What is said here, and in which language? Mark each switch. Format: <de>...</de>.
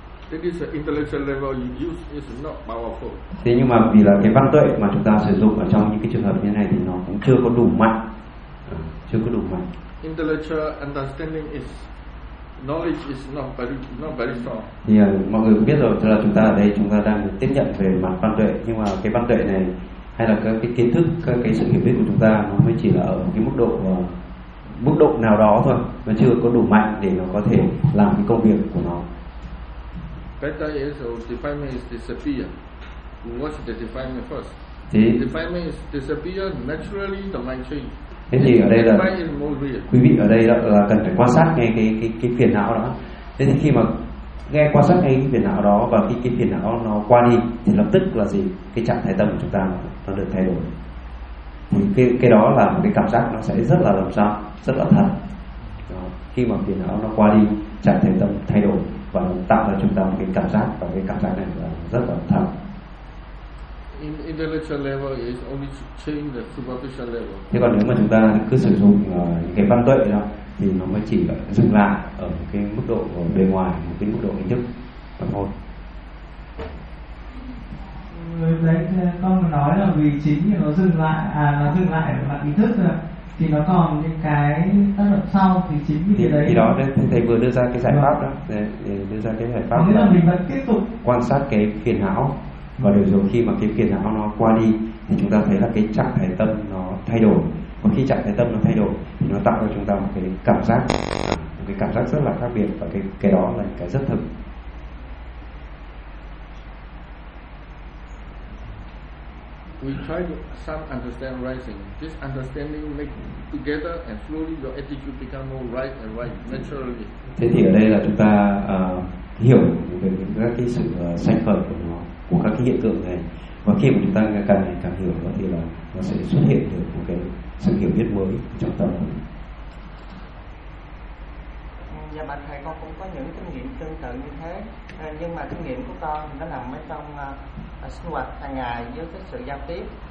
<en>That is the intellectual level you use is not powerful.</en> <vi>Thế nhưng mà vì là cái văn tuệ mà chúng ta sử dụng ở trong những cái trường hợp như này thì nó cũng chưa có đủ mạnh, chưa có đủ mạnh.</vi> <en>Intellectual understanding is knowledge is not very strong.</en> <vi>Thì mọi người cũng biết rồi, tức là chúng ta ở đây chúng ta đang tiếp nhận về mặt văn tuệ, nhưng mà cái văn tuệ này hay là cái kiến thức, cái sự hiểu biết của chúng ta nó mới chỉ là ở cái mức độ nào đó thôi, nó chưa có đủ mạnh để nó có thể làm cái công việc của nó.</vi> <en>Better is or defilement is disappear. What's the defilement first? The defilement is disappear naturally, the mind change.</en> <vi>Thế thì ở đây là quý vị ở đây là cần phải quan sát ngay cái phiền não đó. Thế thì khi mà nghe quan sát ngay cái phiền não đó và cái phiền não nó qua đi thì lập tức là gì? Cái trạng thái tâm của chúng ta nó được thay đổi. Thì cái đó là một cái cảm giác nó sẽ rất là làm sao? Rất là thật. Đó. Khi mà phiền não nó qua đi, trạng thái tâm thay đổi và tạo ra chúng ta một cái cảm giác, và cái cảm giác này là rất là thật.</vi> <en>In intellectual level is only to change the superficial level.</en> <vi>Thế còn nếu mà chúng ta cứ sử dụng cái văn tuệ đó thì nó mới chỉ dừng lại ở một cái mức độ ở bề ngoài, một cái mức độ hình thức mà thôi. Đấy, con nói là vì chính thì nó dừng lại ở mặt ý thức rồi, thì nó còn những cái tác động sau, thì chính vì đấy thì đó thầy vừa đưa ra cái giải pháp đó, để đưa ra cái giải pháp là mình vẫn tiếp tục quan sát cái phiền não. Và điều rồi khi mà cái phiền não nó qua đi thì chúng ta thấy là cái trạng thái tâm nó thay đổi. Và khi trạng thái tâm nó thay đổi thì nó tạo cho chúng ta một cái cảm giác rất là khác biệt, và cái đó là cái rất thực.</vi> <en>We try to some understand rising. This understanding make together and slowly your attitude become more right and right naturally.</en> <vi>Thế thì ở đây là chúng ta hiểu về các cái sự sanh khởi của nó, của các cái hiện tượng này, và khi mà chúng ta càng ngày càng hiểu thì là nó sẽ xuất hiện được một cái sự hiểu biết mới trong tâm. Dạ bạch thầy, con cũng có những kinh nghiệm tương tự như thế. nhưng mà kinh nghiệm của con nó nằm ở trong sinh hoạt hàng ngày với cái sự giao tiếp.</vi>